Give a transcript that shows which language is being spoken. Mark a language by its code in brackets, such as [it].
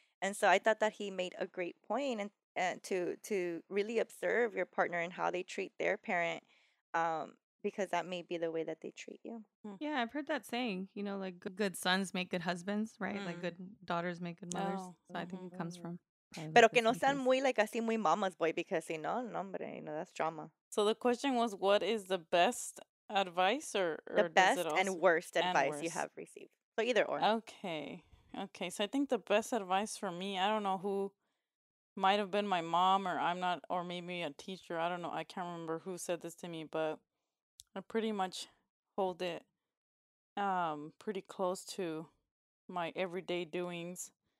[en] And so I thought that he made a great point, and to really observe your partner and how they treat their parent, because that may be the way that they treat you. Yeah, I've heard that saying, you know, like good sons make good husbands, right? Mm-hmm. Like good daughters make good mothers. Oh. So I think it comes from. [es] Pero que no sean muy [en] like [es] así muy mamas, [en] boy, because you know, [es] no, hombre, [en] you know, that's drama. So the question was, what is the best advice or the best and worst advice you have received? So either or. Okay. So I think the best advice for me, I don't know who might have been my mom, or I'm not, or maybe a teacher. I don't know. I can't remember who said this to me, but I pretty much hold it pretty close to my everyday doings.